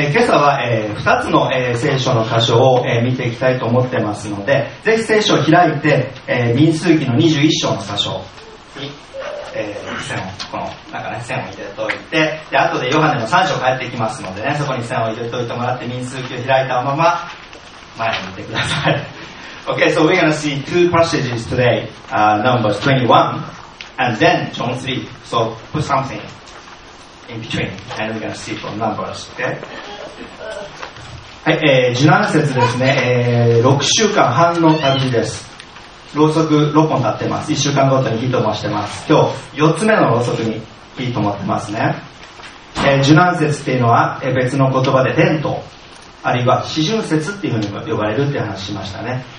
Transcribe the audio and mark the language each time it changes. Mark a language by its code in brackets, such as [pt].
[ja] 今朝は、2つの、聖書の箇所を、見ていきたいと思ってますので、ぜひ聖書を開いて、民数記の21章の箇所に、線をこのなんか、ね、線を入れておいて、で後でヨハネの3章帰ってきますので、ね、そこに線を入れておいてもらって、民数記を開いたまま前を見てください。 [en] Okay, so we're going to see two passages today, Numbers 21 and then John 3. So put something in between and we're going to see from Numbers, okay? [ja] はい、17節ですね、6週間半の旅路です。ろうそく6本立ってます。1週間ごとに火灯してます。今日4つ目のろうそくに火灯ってますね。 17節っていうのは、別の言葉でテント、あるいは四旬節っていうふうにも呼ばれるって話しましたね。